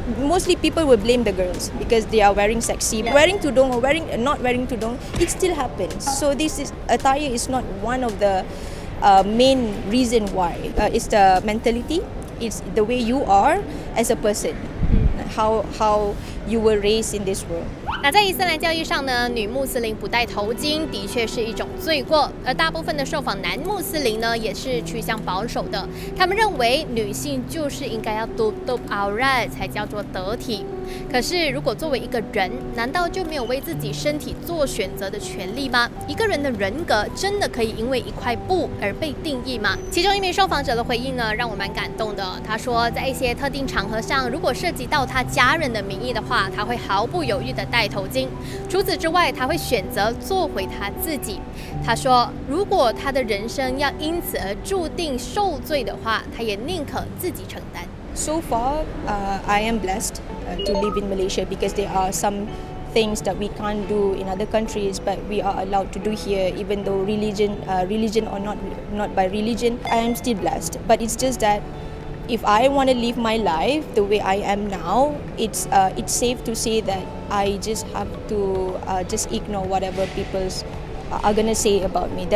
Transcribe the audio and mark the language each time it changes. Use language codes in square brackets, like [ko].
[en] Mostly people will blame the girls because they are wearing sexy. Yeah. Wearing tudung or not wearing tudung, it still happens. So this is attire is not one of the main reason why. It's the mentality, it's the way you are as a person. how you were raised in this world. [zh] 那在伊斯兰教义上呢，女穆斯林不戴头巾的确是一种罪过，而大部分的受访男穆斯林呢，也是趋向保守的。他们认为女性就是应该要 tutup aurat 才叫做得体。可是如果作为一个人，难道就没有为自己身体做选择的权利吗？一个人的人格真的可以因为一块布而被定义吗？其中一名受访者的回应呢，让我蛮感动的。他说，在一些特定场合上，如果涉及到他家人的名义的话，他会毫不犹豫地戴头巾。除此之外，他会选择做回他自己。他说，如果他的人生要因此而注定受罪的话，他也宁可自己承担。 [en] So far, I am blessed to live in Malaysia because there are some things that we can't do in other countries, but we are allowed to do here, even though religion or not, I am still blessed. But it's just that if I want to live my life the way I am now, it's safe to say that I just have to just ignore whatever people are going to say about me.